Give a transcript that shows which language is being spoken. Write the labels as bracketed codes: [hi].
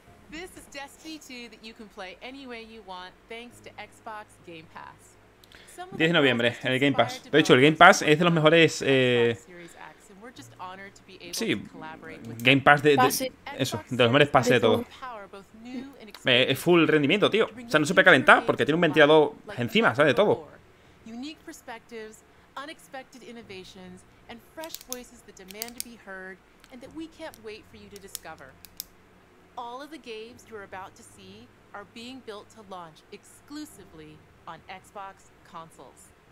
[en] This is Destiny 2 that you can play any way you want thanks to Xbox Game Pass. [es] 10 de noviembre, en el Game Pass. De hecho, el Game Pass es de los mejores. Sí, Game Pass de eso, de los mejores pases de todo. Es full rendimiento, tío. O sea, no se puede calentar porque tiene un ventilador encima, ¿sabes? De todo. [en] Unique perspectives, unexpected innovations, and fresh voices that demand to be heard and that we can't wait for you to discover. All of the games you're about to see are being built to launch exclusively on Xbox consoles.